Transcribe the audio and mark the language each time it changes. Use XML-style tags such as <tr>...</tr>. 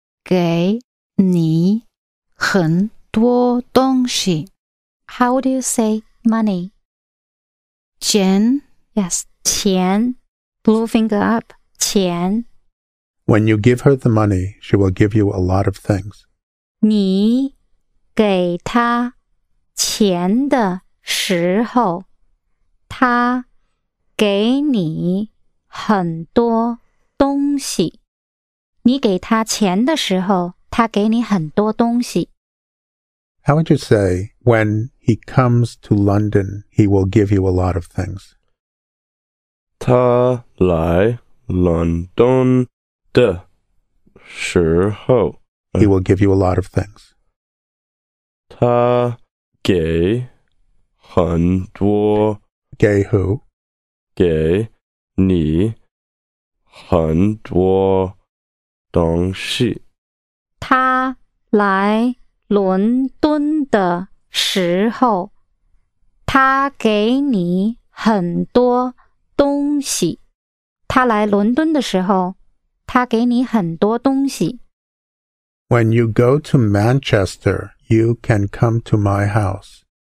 <zh>给你很多东西。</zh> <en>How do you say money?</en> <zh>钱</zh> <en>Yes, 钱 Blue finger up, 钱 When you give her the money, she will give you a lot of things.</en> <zh>你给她钱的时候她给你很多东西。你给她钱的时候她给你很多东西。</zh> <en>How would you say, when he comes to London, he will give you a lot of things?</en> <zh>他来伦敦的时候</zh> <en>He will give you a lot of things.</en> <zh>他给很多</zh> <en>给who?</en> <zh>给你很多东西。他来伦敦的时候他给你很多东西。他来伦敦的时候他给你很多东西。</zh> <en>When you go to Manchester, you can come to my house.</en>